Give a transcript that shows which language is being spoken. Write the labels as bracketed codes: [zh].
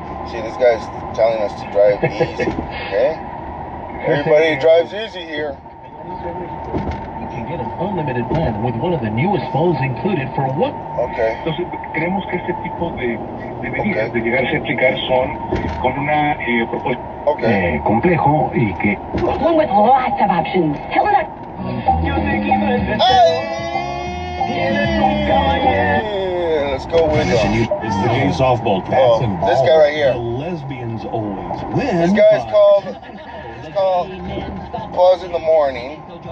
[en] See, this guy's telling us to drive easy, okay? Everybody drives easy here. You can get an unlimited plan with one of the newest phones included for what? Okay. [es] Entonces, creemos que este tipo de medidas de llegarse a aplicar son con una propuesta complejo y que... [en] One with lots of options. Tell it up. Hey! Let's go with him. It's the gay softball team. Oh, this guy right here. The lesbians always win. This guy is called Buzz in the Morning.